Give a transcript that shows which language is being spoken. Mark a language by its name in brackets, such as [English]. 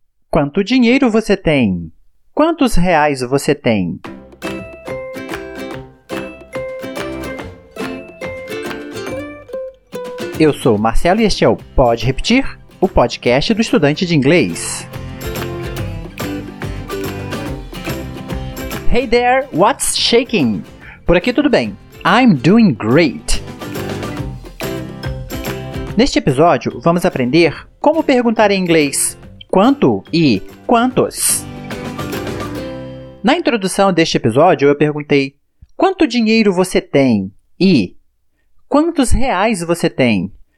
[Portuguese] Quanto dinheiro você tem? Quantos reais você tem? Eu sou o Marcelo e este é o Pode Repetir, o podcast do estudante de inglês. [English] Hey there, what's shaking? [Portuguese] Por aqui tudo bem. [English] I'm doing great. [Portuguese] Neste episódio, vamos aprender como perguntar em inglês quanto e quantos. Na introdução deste episódio, eu perguntei quanto dinheiro você tem e quantos reais você tem.